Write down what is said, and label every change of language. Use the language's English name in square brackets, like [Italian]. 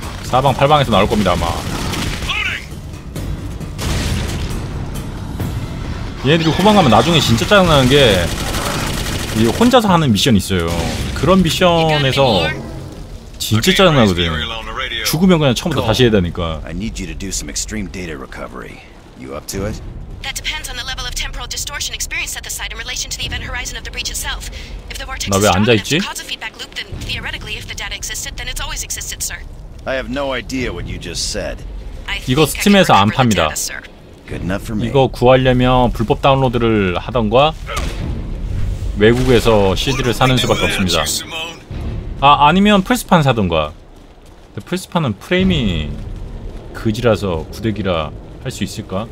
[Korean] 4방 8방에서 나올 겁니다 아마. 얘네들이 후방가면 나중에 진짜 짜증나는게 혼자서 하는 미션이 있어요. 그런 미션에서 진짜 짜증나거든. 죽으면 그냥 처음부터 다시 해야 되니까. [English] I need you to do some extreme data recovery. You up to it? That depends on the level of temporal distortion experienced at the site in relation to the event horizon of the breach itself. If the vortex is strong enough to cause a feedback loop, then theoretically if the data existed, then it's always existed, sir. I have no idea what you just said. [Korean] 이거 스팀에서 안 팝니다. 이거 구하려면 불법 다운로드를 하던가 외국에서 CD를 사는 수밖에 없습니다. 아 아니면 플스판 사던가. 플스판은 프레임이 그지라서 구데기라 할 수 있을까?